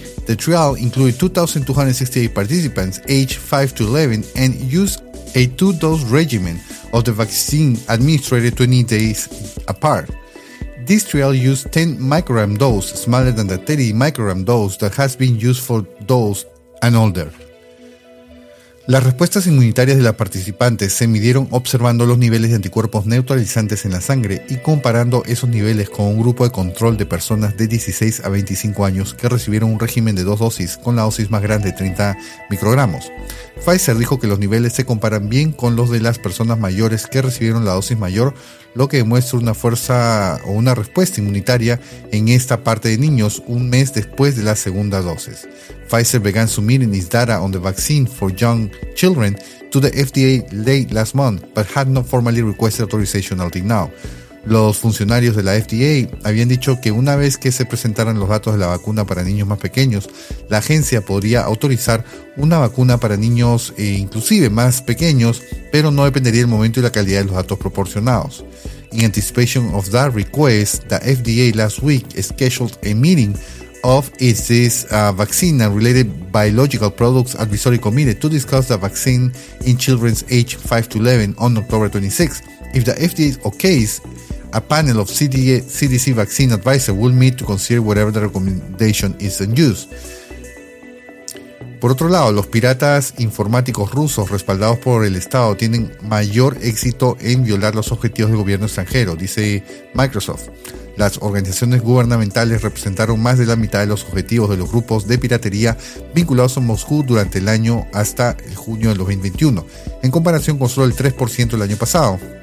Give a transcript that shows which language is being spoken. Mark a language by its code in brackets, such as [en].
[en] The trial included 2,268 participants aged 5 to 11 and used a two-dose regimen of the vaccine administered 20 days apart. This trial used 10 microgram dose, smaller than the 30 microgram dose that has been used for those and older. [es] Las respuestas inmunitarias de las participantes se midieron observando los niveles de anticuerpos neutralizantes en la sangre y comparando esos niveles con un grupo de control de personas de 16 a 25 años que recibieron un régimen de dos dosis con la dosis más grande, 30 microgramos. Pfizer dijo que los niveles se comparan bien con los de las personas mayores que recibieron la dosis mayor, lo que demuestra una fuerza o una respuesta inmunitaria en esta parte de niños un mes después de la segunda dosis. [en] Pfizer began submitting its data on the vaccine for young children to the FDA late last month, but had not formally requested authorization until now. [es] Los funcionarios de la FDA habían dicho que una vez que se presentaran los datos de la vacuna para niños más pequeños, la agencia podría autorizar una vacuna para niños inclusive más pequeños, pero no dependería del momento y la calidad de los datos proporcionados. [en] In anticipation of that request, the FDA last week scheduled a meeting of its vaccine and related biological products advisory committee to discuss the vaccine in children aged 5 to 11 on October 26th. If the FDA okays, a panel of CDC vaccine advisors will meet to consider whatever the recommendation is in use. [es] Por otro lado, los piratas informáticos rusos respaldados por el Estado tienen mayor éxito en violar los objetivos del gobierno extranjero, dice Microsoft. Las organizaciones gubernamentales representaron más de la mitad de los objetivos de los grupos de piratería vinculados a Moscú durante el año hasta el junio de 2021, en comparación con solo el 3% el año pasado.